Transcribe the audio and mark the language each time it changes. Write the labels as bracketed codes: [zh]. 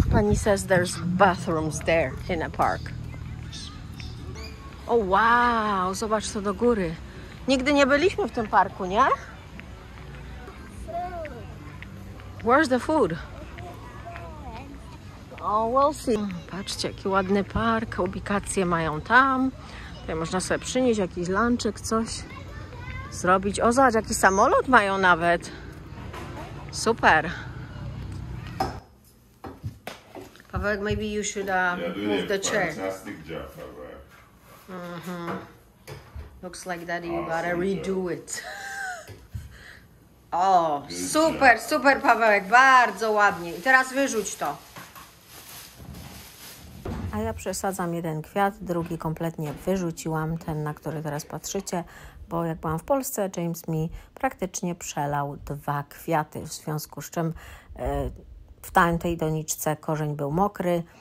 [en] Pani says there's bathrooms there in a park. Oh, wow. [pl] Zobacz to do góry. Nigdy nie byliśmy w tym parku, nie? [en] Where's the food? Oh, we'll see. [pl] Patrzcie, jaki ładny park. Ubikacje mają tam. Tutaj można sobie przynieść jakiś lunchek, coś zrobić. O, zobacz, jaki samolot mają nawet. Super. [en] Paweł, maybe you should move the chair. Fantastic job, Paweł. Mm-hmm. Looks like that you gotta redo it. [pl] O, super, super, Paweł, bardzo ładnie. I teraz wyrzuć to. A ja przesadzam jeden kwiat, drugi kompletnie wyrzuciłam, ten, na który teraz patrzycie, bo jak byłam w Polsce, James mi praktycznie przelał dwa kwiaty, w związku z czym w tamtej doniczce korzeń był mokry.